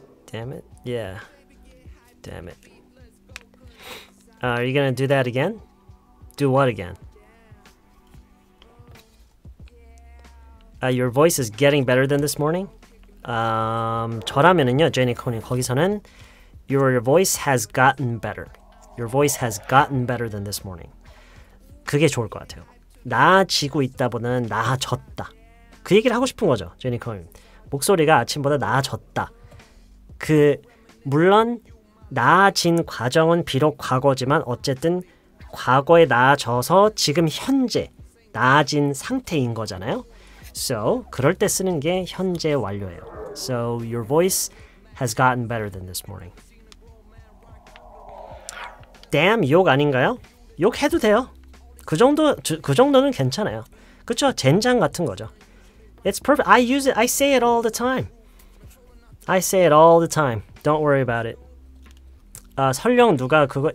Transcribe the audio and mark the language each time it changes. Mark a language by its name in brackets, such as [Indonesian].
[English] Damn it? Yeah. Damn it. Are you gonna do that again? Do what again? Your voice is getting better than this morning? [Korean] 저라면은요, 제니코님, 거기서는 [English] Your voice has gotten better. Your voice has gotten better than this morning. [Korean] 그게 좋을 것 같아요. 나아지고 있다보다는 나아졌다. 그 얘기를 하고 싶은 거죠, 제니코님. 목소리가 아침보다 나아졌다. 그 물론 나아진 과정은 비록 과거지만 어쨌든 과거에 나아져서 지금 현재 나아진 상태인 거잖아요. So 그럴 때 쓰는 게 현재 완료예요. [English] So your voice has gotten better than this morning. [Korean] Damn, 욕 아닌가요? 욕 해도 돼요. 그 정도는 괜찮아요. 그쵸? 젠장 같은 거죠. [English] It's perfect. I use it. I say it all the time. I say it all the time. Don't worry about it. [Korean] 설령 누가 그거...